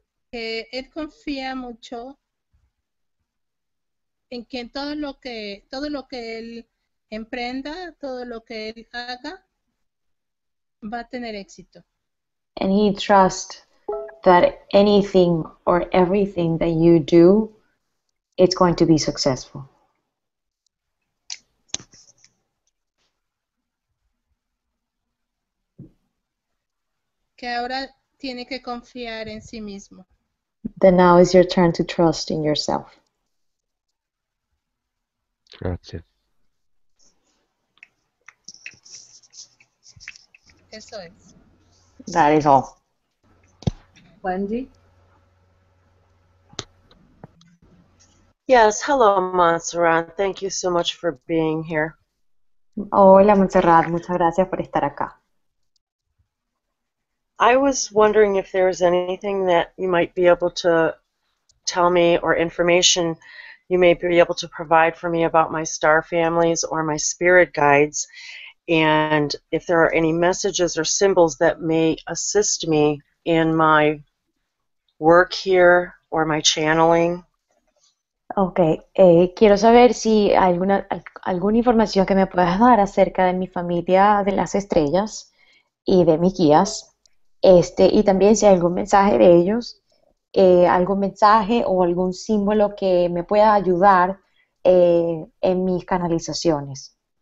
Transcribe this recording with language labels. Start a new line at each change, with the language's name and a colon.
Spanish: Él confía mucho en que todo lo que él emprenda, todo lo que él haga, va a tener éxito.
English: And he trusts that anything or everything that you do, it's going to be successful.
Spanish: Que ahora tiene que confiar en sí mismo.
English: Then now is your turn to trust in yourself.
Spanish: Gracias. Eso es.
English: That is all. Wendy? Yes, hello, Montserrat. Thank you so much for being here.
Spanish: Hola, Montserrat. Muchas gracias por estar acá.
English: I was wondering if there was anything that you might be able to tell me or information you may be able to provide for me about my star families or my spirit guides, and if there are any messages or symbols that may assist me in my work here or my channeling. Okay.
Spanish: Quiero saber si alguna información que me puedas dar acerca de mi familia, de las estrellas y de mis guías. Y también si hay algún mensaje de ellos, algún mensaje o algún símbolo que me pueda ayudar en mis canalizaciones.